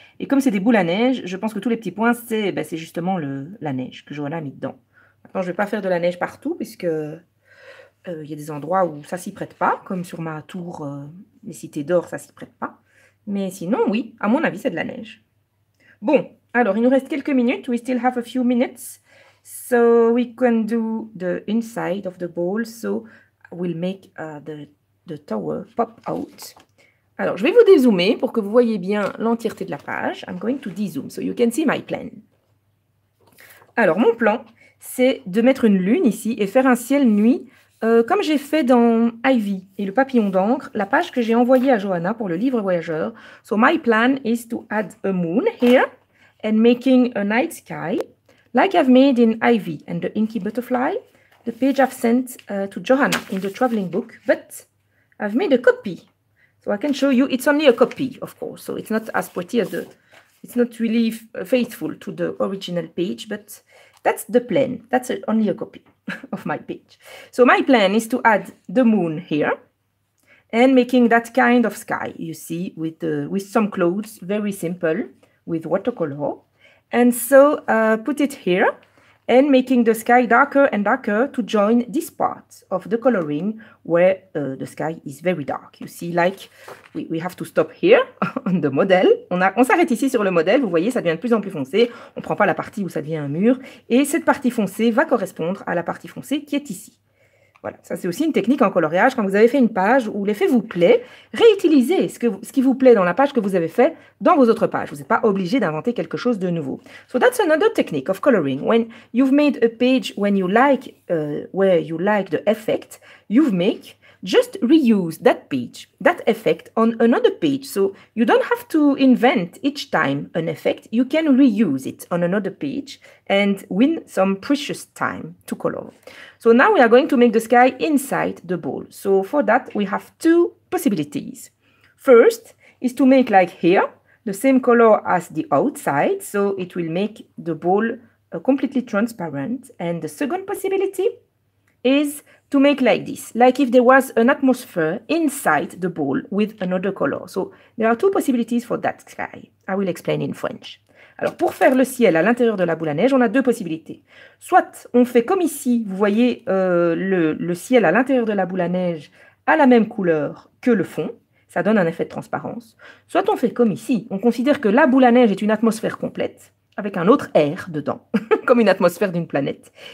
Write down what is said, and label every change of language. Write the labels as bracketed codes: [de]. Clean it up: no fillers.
[fr] Et comme c'est des boules à neige, je pense que tous les petits points, c'est ben, c'est justement la neige que Johanna a mis dedans. Maintenant, je ne vais pas faire de la neige partout, puisque il y a des endroits où ça ne s'y prête pas, comme sur ma tour, les cités d'or, ça ne s'y prête pas. Mais sinon, oui, à mon avis, c'est de la neige. Bon, alors, il nous reste quelques minutes. [en] We still have a few minutes. So, we can do the inside of the bowl. So, we'll make the tower pop out. [fr] Alors, je vais vous dézoomer pour que vous voyez bien l'entièreté de la page. [en] I'm going to dézoom so you can see my plan. [fr] Alors, mon plan, c'est de mettre une lune ici et faire un ciel nuit, comme j'ai fait dans Ivy et le papillon d'encre, la page que j'ai envoyée à Johanna pour le livre voyageur. [en] So, my plan is to add a moon here and making a night sky. Like I've made in Ivy and the Inky Butterfly, the page I've sent to Johanna in the traveling book, but I've made a copy. So I can show you, it's only a copy, of course, so it's not as pretty as the, it's not really faithful to the original page, but that's the plan. That's only a copy of my page. So my plan is to add the moon here and making that kind of sky, you see, with some clothes, very simple, with watercolor. And so put it here and making the sky darker and darker to join this part of the coloring where the sky is very dark. You see, like, we have to stop here on the model. [fr] On s'arrête ici sur le modèle. Vous voyez, ça devient de plus en plus foncé. On ne prend pas la partie où ça devient un mur. Et cette partie foncée va correspondre à la partie foncée qui est ici. Voilà, ça c'est aussi une technique en coloriage. Quand vous avez fait une page où l'effet vous plaît, réutilisez ce qui vous plaît dans la page que vous avez fait dans vos autres pages. Vous n'êtes pas obligé d'inventer quelque chose de nouveau. [en] So that's another technique of coloring. When you've made a page when you like, where you like the effect you've make, just reuse that page, that effect on another page. So you don't have to invent each time an effect. You can reuse it on another page and win some precious time to color. So now we are going to make the sky inside the bowl. So for that, we have two possibilities. First is to make like here, the same color as the outside. So it will make the bowl completely transparent. And the second possibility is to make like this, like if there was an atmosphere inside the bowl with another color. So there are two possibilities for that sky. I will explain in French. [fr] Alors, pour faire le ciel à l'intérieur de la boule à neige, on a deux possibilités. Soit on fait comme ici, vous voyez le ciel à l'intérieur de la boule à neige à la même couleur que le fond. Ça donne un effet de transparence. Soit on fait comme ici. On considère que la boule à neige est une atmosphère complète avec un autre air dedans, comme une atmosphère d'une planète.